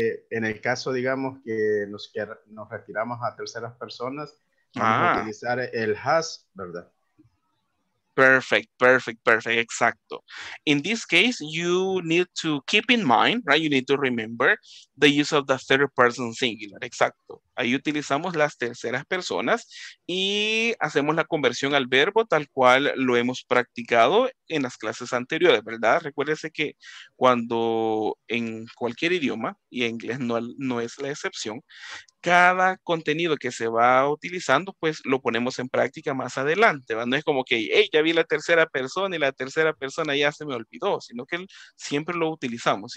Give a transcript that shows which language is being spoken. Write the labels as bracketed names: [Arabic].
[Spanish] En el caso, digamos, que nos retiramos a terceras personas, vamos a utilizar el has, ¿verdad? [English] Perfect, exacto. In this case, you need to keep in mind, right? You need to remember the use of the third person singular, exacto. [Spanish] Ahí utilizamos las terceras personas y hacemos la conversión al verbo tal cual lo hemos practicado en las clases anteriores, ¿verdad? Recuérdese que cuando en cualquier idioma, y en inglés no es la excepción, cada contenido que se va utilizando, pues lo ponemos en práctica más adelante, ¿verdad? No es como que, hey, ya vi la tercera persona y la tercera persona ya se me olvidó, sino que siempre lo utilizamos.